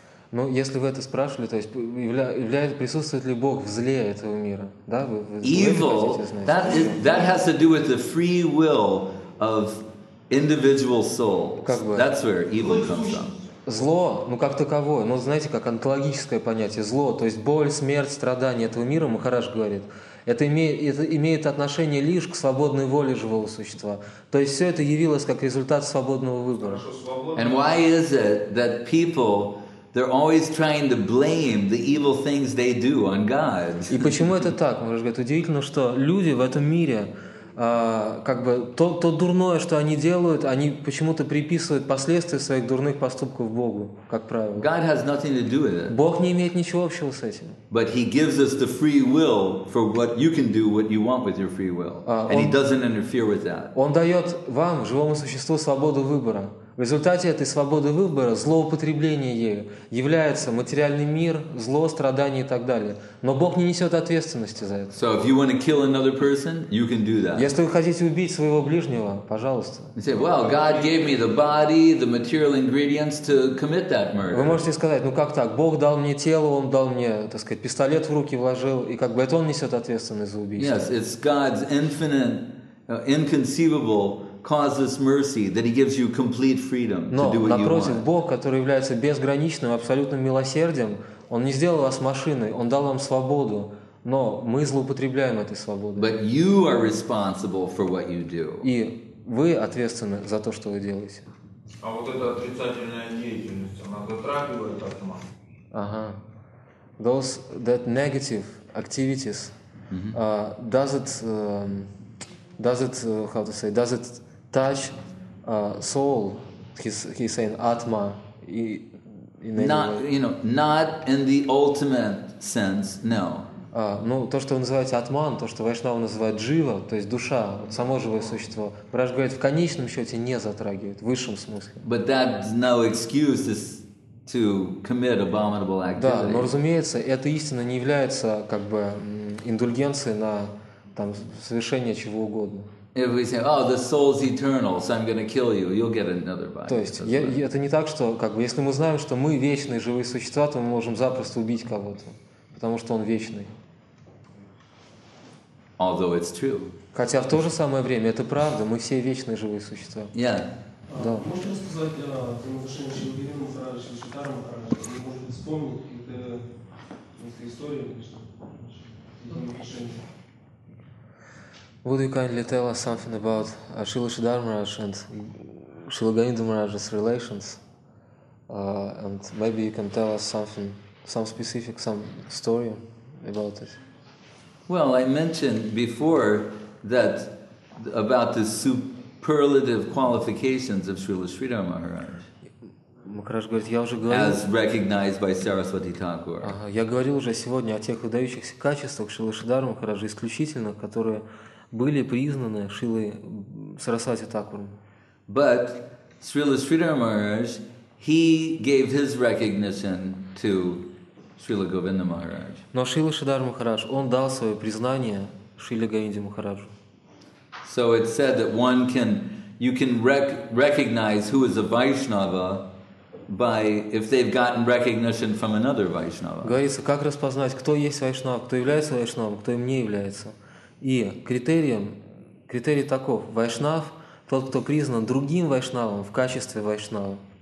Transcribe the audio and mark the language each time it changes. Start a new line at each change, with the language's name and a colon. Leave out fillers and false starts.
Russian: Ну, если вы это спрашивали, то есть является присутствует ли Бог в зле этого мира, да?
English: Evil. That has to do with the free will of individual soul. That's where evil comes from.
Russian: Зло, ну как таковое, ну знаете, как онтологическое понятие, зло, то есть боль, смерть, страдания этого мира, Махарадж говорит, это имеет отношение лишь к свободной воле живого существа. То есть все это явилось как результат свободного выбора.
English: And why is it that people, they're always trying to blame the evil things they do on God?
Russian: И почему это так? Махарадж говорит, удивительно, что люди в этом мире, как бы то дурное, что они делают, они почему-то приписывают последствия своих дурных поступков Богу, как правило.
English: God has nothing to do with it.
Russian: Бог не имеет ничего общего с этим.
English: But he gives us the free will for what you can do, what you want with your free will, and he doesn't interfere with that.
Russian: Он дает вам, живому существу, свободу выбора. В результате этой свободы выбора злоупотребление ею является материальный мир, зло, страдания и так далее. Но Бог не несет ответственности за это.
English: So if you want to kill another person, you can do that.
Russian: Если вы хотите убить своего ближнего, пожалуйста.
English: You say, well, God gave me the body, the material ingredients to commit that murder.
Russian: Вы можете сказать, ну как так? Бог дал мне тело, Он дал мне, так сказать, пистолет в руки вложил, и как бы это Он несет ответственность за убийство.
English: Yes, it's God's infinite, inconceivable causes mercy that he gives you complete freedom to do what you want.
Russian: Напротив, Бог, который является безграничным, абсолютным милосердием, он не сделал вас машиной, он дал вам свободу, но мы злоупотребляем этой свободой.
English: But you are responsible for what you do.
Russian: И вы ответственны за то, что вы делаете. А вот эта отрицательная деятельность, она затрагивает атман. Ага.
English: That negative activities, does it touch soul, he's saying atma. Not in the ultimate sense, no.
Russian: Ну, то, что называется атман, то, что вайшнавы называют джива, то есть душа, вот само живое существо, Враж говорит, в конечном счете не затрагивает, в высшем смысле.
English: But that no excuse is to commit abominable activity.
Russian: Да, но, разумеется, эта истина не является как бы индульгенцией на там, совершение чего угодно.
English: If we say, oh, the soul's eternal, so I'm going to kill you, you'll get another body.
Russian: То есть, это не так, что, как бы, если мы знаем, что мы вечные живые существа, то мы можем запросто убить кого-то, потому что он вечный.
English: Although it's true.
Russian: Хотя в то же самое время, это правда, мы все вечные живые существа.
English: Yeah.
Russian: Да. Можно сказать о том отношении Шивгирина Махараджа, Шитара Махараджа, или, может быть, вспомнить какие-то истории, конечно, какие-то отношения?
English: Would you kindly tell us something about Srila Siddhartha Maharaj and Srila Govinda Maharaj's relations? And maybe you can tell us something, some specific, some story about it. Well, I mentioned before that about the superlative qualifications of Srila Siddhartha Maharaj.
Russian: Макараш говорит, я уже говорил.
English: As recognized by Saraswati Thakur.
Russian: Я говорил уже сегодня о тех выдающихся качествах Srila Siddhartha Maharaja исключительно, которые были признаны Шрилой Сарасвати Такуром.
English: But Srila Sridhar Maharaj, he gave his recognition to Srila Govinda Maharaj.
Russian: Но Шрила Сидхартха Махарадж, он дал свое признание Шриле Говинде Махараджу.
English: So it said that one can, you can recognize who is a Vaishnava by if they've gotten recognition from another Vaishnava.
Russian: Говорится, как распознать, кто есть Вайшнава, кто является Вайшнавом, кто им не является. И критерий таков: вайшнав тот, кто признан другим вайшнавом в качестве вайшнава.